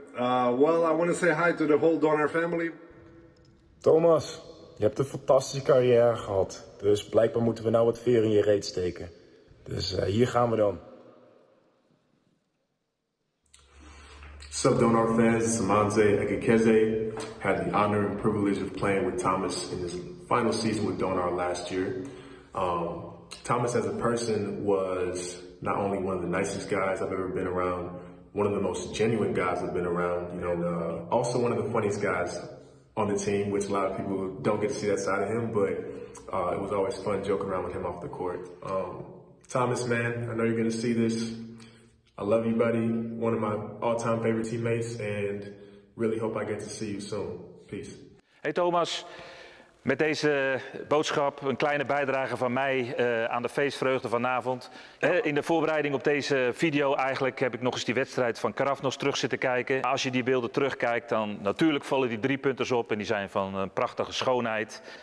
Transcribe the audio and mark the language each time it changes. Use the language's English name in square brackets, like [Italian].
[English] I want to say hi to the whole Donar family. [Dutch] Thomas, je hebt een fantastische carrière gehad. Dus blijkbaar moeten we nou wat veer in je reet steken. Dus hier gaan we dan. [English] What's up, Donar fans? Samanze Ekekeze. Had the honor and privilege of playing with Thomas in his final season with Donar last year. Thomas as a person was not only one of the nicest guys I've ever been around, one of the most genuine guys I've been around, also one of the funniest guys on the team, which a lot of people don't get to see that side of him, but it was always fun joking around with him off the court. Thomas, man, I know you're gonna see this. I love you, buddy. One of my all-time favorite teammates, and really hope I get to see you soon. Peace. [Dutch] Hey Thomas, met deze boodschap een kleine bijdrage van mij aan de feestvreugde vanavond. Ja. In de voorbereiding op deze video eigenlijk heb ik nog eens die wedstrijd van Karafnos terug zitten kijken. Als je die beelden terugkijkt, dan natuurlijk vallen die 3 punters op en die zijn van een prachtige schoonheid.